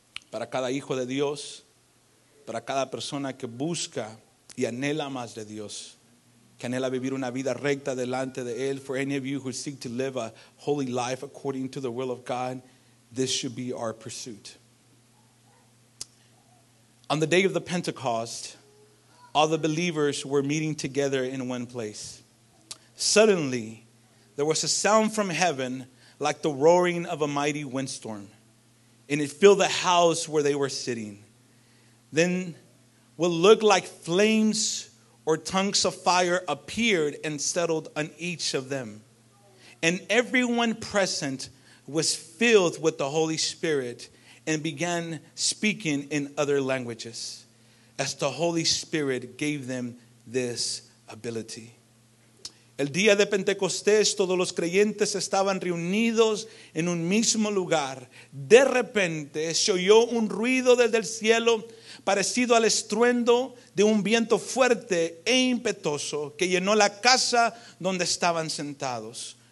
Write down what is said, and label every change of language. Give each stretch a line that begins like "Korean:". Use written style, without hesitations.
Spanish: para cada hijo de Dios, para cada persona que busca y anhela más de Dios, que anhela vivir una vida recta delante de Él.
English: For any of you who seek to live a holy life according to the will of God, this should be our pursuit. On the day of the Pentecost, all the believers were meeting together in one place. Suddenly, there was a sound from heaven like the roaring of a mighty windstorm, and it filled the house where they were sitting. Then what looked like flames or tongues of fire appeared and settled on each of them. And everyone present was filled with the Holy Spirit and began speaking in other languages as the Holy Spirit gave them this ability.
Spanish: El día de Pentecostés, todos los creyentes estaban reunidos en un mismo lugar. De repente, se oyó un ruido desde el cielo parecido al estruendo de un viento fuerte e impetuoso que llenó la casa donde estaban sentados.